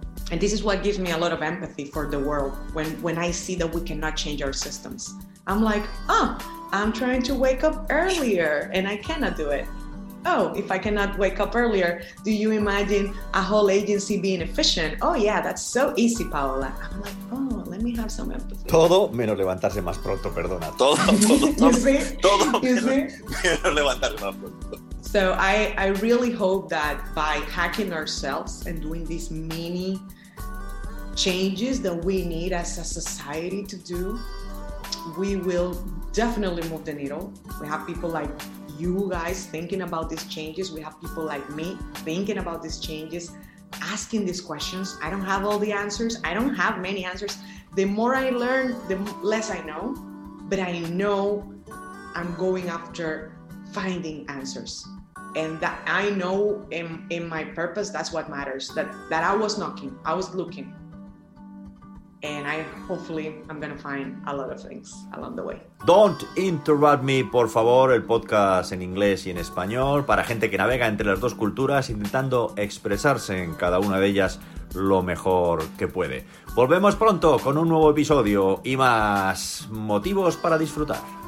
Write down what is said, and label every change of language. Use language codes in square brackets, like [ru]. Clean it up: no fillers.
[en] And this is what gives me a lot of empathy for the world when I see that we cannot change our systems. I'm like, oh, I'm trying to wake up earlier and I cannot do it. Oh, if I cannot wake up earlier, do you imagine a whole agency being efficient? Oh yeah, that's so easy, Paola. I'm like, oh, let me have some empathy. [es] Todo menos levantarse más pronto, perdona. Todo. [en] You see? [es] Todo [en] you [es] menos, [en] see? [es] Menos levantarse más pronto. [en] So I really hope that by hacking ourselves and doing these mini changes that we need as a society to do, we will definitely move the needle. We have people like you guys thinking about these changes. We have people like me thinking about these changes, asking these questions. I don't have all the answers. I don't have many answers. The more I learn, the less I know. But I know I'm going after finding answers. And that I know in my purpose, that's what matters, that I was knocking, I was looking. And I'm gonna find a lot of things along the way. [es] Don't Interrupt Me, por favor, el podcast en inglés y en español, para gente que navega entre las dos culturas intentando expresarse en cada una de ellas lo mejor que puede. Volvemos pronto con un nuevo episodio y más motivos para disfrutar.